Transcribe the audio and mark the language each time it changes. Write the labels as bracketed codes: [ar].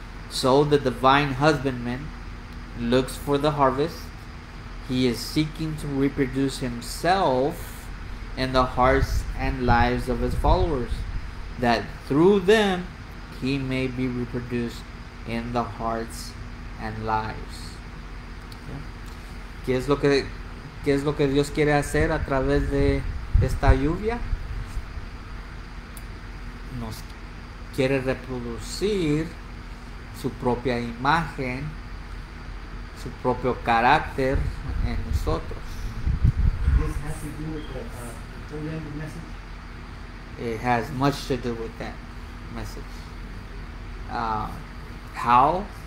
[en] So the divine husbandman looks for the harvest. He is seeking to reproduce himself in the hearts and lives of his followers, that through them he may be reproduced in the hearts and lives. [es] ¿Qué es lo que Dios quiere hacer a través de esta lluvia? Nos quiere reproducir su propia imagen, su propio carácter en nosotros. [en] This has to do with the message. It has much to do with that message. How?